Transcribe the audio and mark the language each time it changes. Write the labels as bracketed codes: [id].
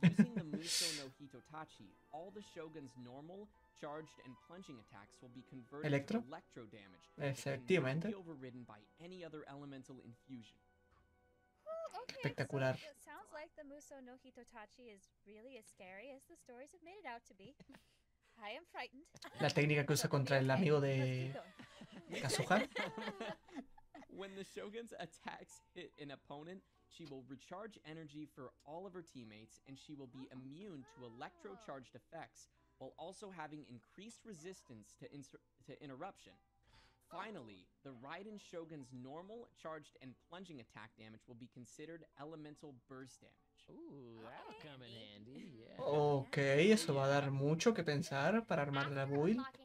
[en] Using the Muso no Hitotachi, all the Shogun's normal, charged, and plunging attacks will be converted [es] ¿electro? [en] To electro damage. [es] Efectivamente. [en] Be overridden by any other elemental infusion. Okay, [es] espectacular. [en] So it sounds like the Muso no Hitotachi is really as scary as the stories have made it out to be. I am frightened. [es] La técnica que usa contra el amigo de Kazuha. [en] When the Shogun's attacks hit an opponent, she will recharge energy for all of her teammates, and she will be immune to electro-charged effects, while also having increased resistance to interruption. Finally, the Raiden Shogun's normal, charged, and plunging attack damage will be considered elemental burst damage. Ooh, that'll come in handy. Yeah. [es] Okay, eso va a dar mucho que pensar para armar la build.